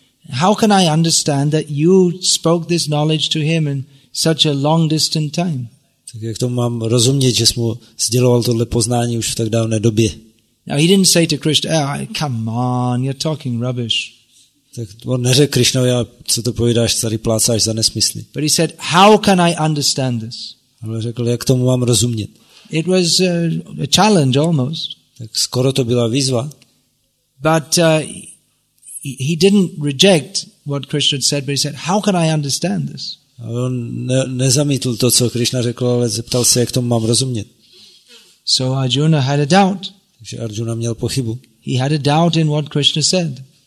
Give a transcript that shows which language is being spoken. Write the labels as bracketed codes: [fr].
[en] How can I understand that you spoke this knowledge to him in such a long distant time? [cs] Tak jak tomu mám rozumět, že jsi mu sděloval tohle poznání už v tak dávné době? [en] Now he didn't say to Krishna, come on, you're talking rubbish. [cs] Tak on neřekl Krishnovi, co to povídáš, tady plácáš za nesmysly. [en] But he said, how can I understand this? [cs] On řekl, jak tomu mám rozumět? [en] It was a challenge almost. [cs] Tak skoro to byla výzva. [en] But he didn't reject what Krishna said, but he said, how can I understand this? [cs] A on nezamítl to, co Krishna řekl, ale zeptal se, jak tomu mám rozumět. [en] So Arjuna had a doubt. [cs] Takže Arjuna měl pochybu. [en] He had a doubt in what Krishna said.